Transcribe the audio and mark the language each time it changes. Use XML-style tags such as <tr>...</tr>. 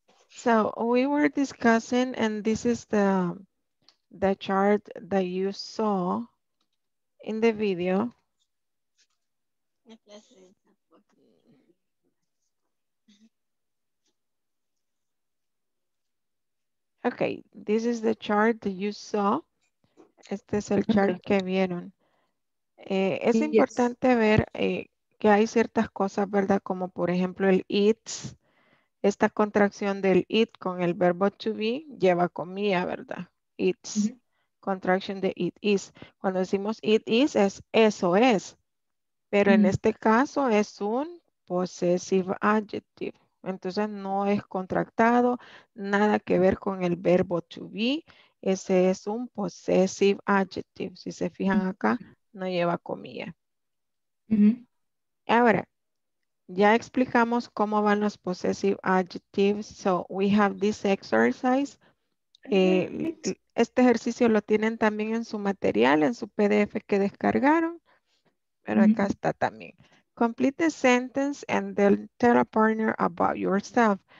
<en>So we were discussing, and this is the chart that you saw in the video. Okay, this is the chart that you saw.</en> <es>Este es el chart que vieron. Es importante ver que hay ciertas cosas, ¿verdad? Como por ejemplo el it's. Esta contracción del it con el verbo to be lleva comilla, ¿verdad? It's. Contracción de it is. Cuando decimos it is, es eso es. Pero en este caso es un possessive adjective. Entonces no es contractado, nada que ver con el verbo to be. Ese es un possessive adjective. Si se fijan acá, no lleva comilla. Ahora, ya explicamos cómo van los possessive adjectives.</es> <en>So we have this exercise.</en> <es>Este ejercicio lo tienen también en su material, en su PDF que descargaron. Pero acá está también.</es> <en>Complete the sentence and then tell a partner about yourself.</en>